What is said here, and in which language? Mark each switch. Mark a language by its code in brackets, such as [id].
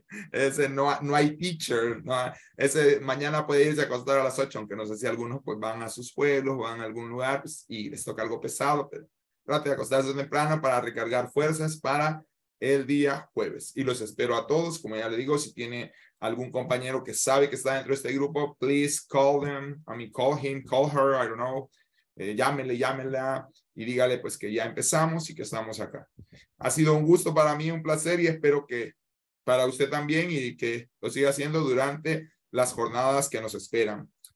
[es] Ese no hay teacher. No hay, ese mañana puede irse a acostar a las 8, aunque no sé si algunos pues van a sus pueblos, van a algún lugar pues, y les toca algo pesado, pero trate de acostarse temprano para recargar fuerzas para el día jueves. Y los espero a todos. Como ya le digo, si tiene algún compañero que sabe que está dentro de este grupo, [en] please call them. I mean, call him, call her, I don't know. [es] Llámela y dígale pues que ya empezamos y que estamos acá. Ha sido un gusto para mí, un placer, y espero que para usted también y que lo siga haciendo durante las jornadas que nos esperan.